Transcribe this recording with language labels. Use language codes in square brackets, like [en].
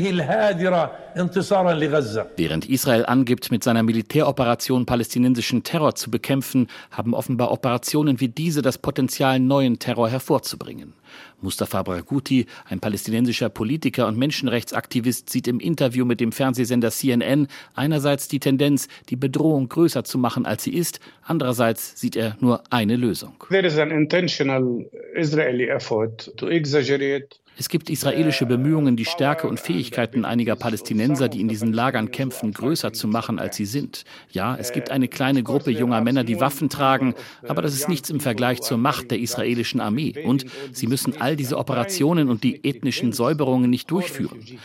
[de] Während Israel angibt, mit seiner Militäroperation palästinensischen Terror zu bekämpfen, haben offenbar Operationen wie diese das Potenzial, neuen Terror hervorzubringen. Mustafa Barghouti, ein palästinensischer Politiker und Menschenrechtsaktivist, sieht im Interview mit dem Fernsehsender CNN einerseits die Tendenz, die Bedrohung größer zu machen, als sie ist. Andererseits sieht er nur eine Lösung. [en] There is an intentional Israeli effort to exaggerate. [de] Es gibt israelische Bemühungen, die Stärke und Fähigkeiten einiger Palästinenser, die in diesen Lagern kämpfen, größer zu machen, als sie sind. Ja, es gibt eine kleine Gruppe junger Männer, die Waffen tragen, aber das ist nichts im Vergleich zur Macht der israelischen Armee. Und sie müssen all diese Operationen und die ethnischen Säuberungen nicht durchführen.